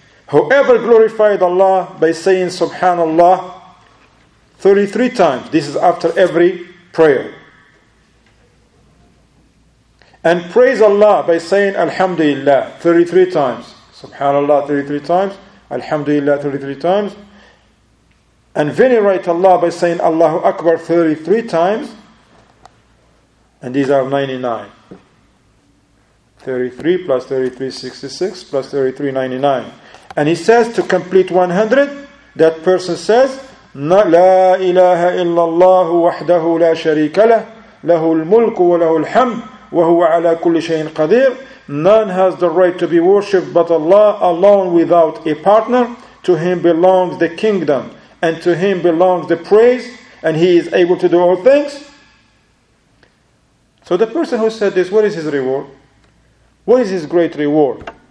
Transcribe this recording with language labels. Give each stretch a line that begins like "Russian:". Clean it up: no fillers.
English: Whoever glorified Allah by saying Subhanallah 33 times, this is after every prayer, and praise Allah by saying Alhamdulillah 33 times, Subhanallah 33 times, Alhamdulillah 33 times, and venerate Allah by saying Allahu Akbar 33 times, and these are 99. 33 plus 33, 66 plus 33, 99. And he says to complete 100, that person says,
Arabic: لا إله إلا الله وحده لا شريك له له الملك وله الحمد وهو على كل شيء قدير.
English: None has the right to be worshipped but Allah alone without a partner. To him belongs the kingdom and to him belongs the praise, and he is able to do all things. So the person who said this, what is his reward? What is his great reward?